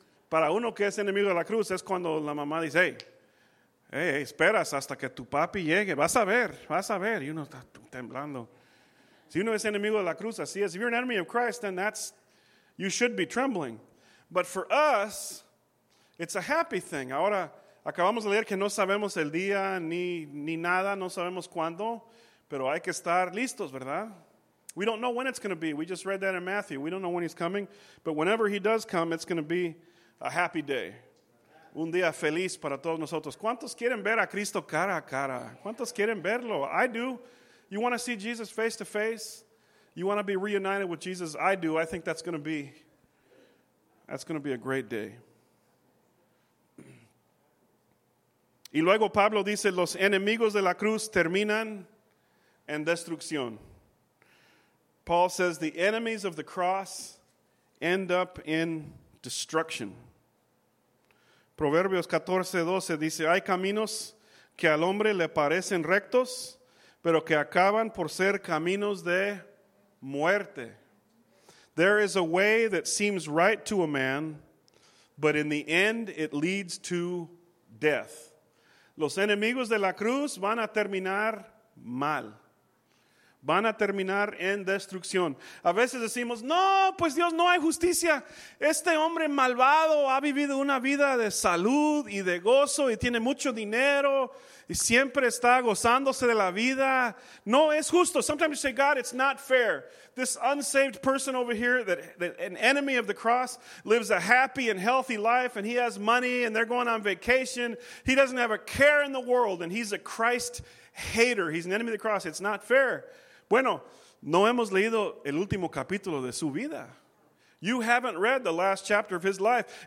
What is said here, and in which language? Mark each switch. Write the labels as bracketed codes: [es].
[es] Para uno que es enemigo de la cruz, es cuando la mamá dice, hey, esperas hasta que tu papi llegue. Vas a ver. Y uno está temblando. Si uno es enemigo de la cruz, así es. [en] If you're an enemy of Christ, then you should be trembling. But for us, it's a happy thing. [es] Ahora, acabamos de leer que no sabemos el día ni nada. No sabemos cuándo. Pero hay que estar listos, ¿verdad? [en] We don't know when it's going to be. We just read that in Matthew. We don't know when he's coming. But whenever he does come, it's going to be a happy day. [es] Un día feliz para todos nosotros. ¿Cuántos quieren ver a Cristo cara a cara? ¿Cuántos quieren verlo? [en] I do. You want to see Jesus face to face? You want to be reunited with Jesus? I do. I think that's going to be a great day. [es] Y luego Pablo dice, los enemigos de la cruz terminan and destrucción. [en] Paul says the enemies of the cross end up in destruction. [es] Proverbios 14:12 dice, hay caminos que al hombre le parecen rectos, pero que acaban por ser caminos de muerte. [en] There is a way that seems right to a man, but in the end it leads to death. [es] Los enemigos de la cruz van a terminar mal. van a terminar en destrucción. A veces decimos, no, pues Dios, no hay justicia. Este hombre malvado ha vivido una vida de salud y de gozo y tiene mucho dinero y siempre está gozándose de la vida. No es justo. [en] Sometimes you say, God, it's not fair. This unsaved person over here, that an enemy of the cross, lives a happy and healthy life and he has money and they're going on vacation. He doesn't have a care in the world and he's a Christ hater. He's an enemy of the cross. It's not fair. [es] Bueno, no hemos leído el último capítulo de su vida. [en] You haven't read the last chapter of his life.